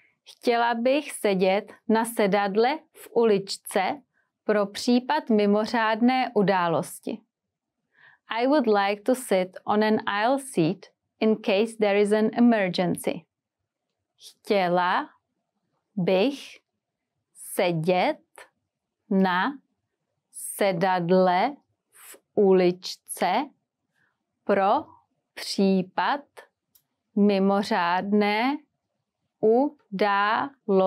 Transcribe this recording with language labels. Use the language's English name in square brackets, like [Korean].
[Czech] Chtěla bych sedět na sedadle v uličce pro případ mimořádné události. [English] I would like to sit on an aisle seat in case there is an emergency. [Czech] Chtěla bych sedět na sedadle v uličce pro případ mimořádné události.